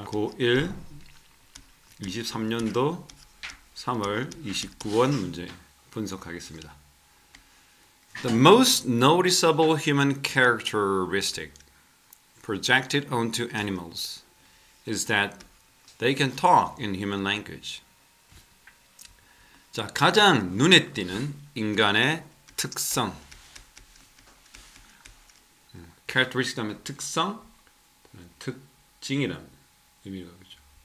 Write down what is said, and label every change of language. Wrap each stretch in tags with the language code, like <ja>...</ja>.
<ko>고1 23년도 3월 29원 문제 분석하겠습니다.</ko> <en>The most noticeable human characteristic projected onto animals is that they can talk in human language.</en> <ko>자, 가장 눈에 띄는 인간의 특성. characteristic 하면 특성, 특징이란 의미가 그죠?</ko>